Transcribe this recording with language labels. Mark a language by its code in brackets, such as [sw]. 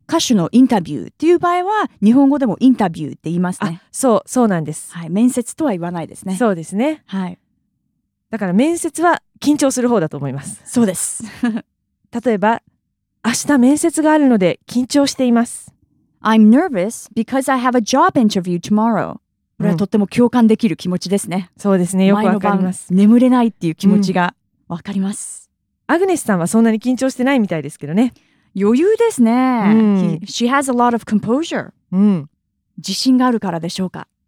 [ja] 歌手のインタビューっていう場合は日本語でもインタビューって言いますね。あ、そう、そうなんです、はい、面接とは言わないですね。そうですね、はい、だから面接は緊張する方だと思います。そうです。例えば明日面接があるので緊張しています。 [en] I'm nervous because I have a job interview tomorrow。 [ja] これはとっても共感できる気持ちですね、うん、そうですね、よくわかります。前の晩眠れないっていう気持ちがわかります、うん、アグネスさんはそんなに緊張してないみたいですけどね。余裕ですね、うん、 [en] She has a lot of composure、うん、 [ja] 自信があるからでしょうか。